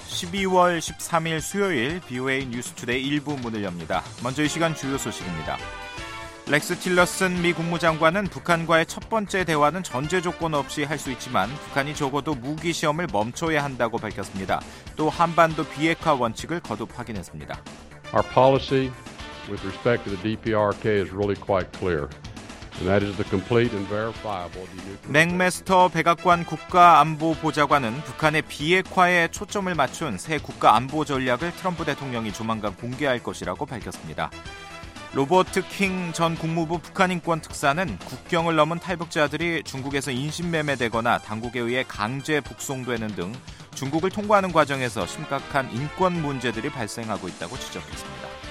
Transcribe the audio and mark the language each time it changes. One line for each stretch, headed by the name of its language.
Korean: 12월 13일 수요일 VOA 뉴스 투데이 1부 문을 엽니다. 먼저 이 시간 주요 소식입니다. 렉스 틸러슨 미 국무장관은 북한과의 첫 번째 대화는 전제 조건 없이 할 수 있지만 북한이 적어도 무기 시험을 멈춰야 한다고 밝혔습니다. 또 한반도 비핵화 원칙을 거듭 확인했습니다.
English: Our policy with respect to the DPRK is really quite clear. That is the complete and verifiable.
Korean: 맥메스터 백악관 국가안보보좌관은 북한의 비핵화에 초점을 맞춘 새 국가안보 전략을 트럼프 대통령이 조만간 공개할 것이라고 밝혔습니다. 로버트 킹 전 국무부 북한인권특사는 국경을 넘은 탈북자들이 중국에서 인신매매되거나 당국에 의해 강제 북송되는 등 중국을 통과하는 과정에서 심각한 인권 문제들이 발생하고 있다고 지적했습니다.